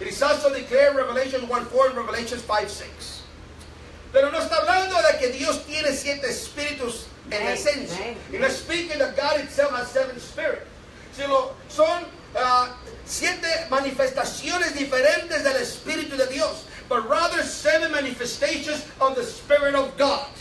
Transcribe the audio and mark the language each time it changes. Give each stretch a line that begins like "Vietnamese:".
English: It is also declared in Revelation 1:4 and Revelation 5:6.
Spanish: Pero no está hablando de que Dios tiene siete espíritus en esencia.
English: It is speaking that God itself has seven spirits.
Spanish: Sino son siete manifestaciones diferentes del Espíritu de Dios.
English: But rather seven manifestations of the Spirit of God.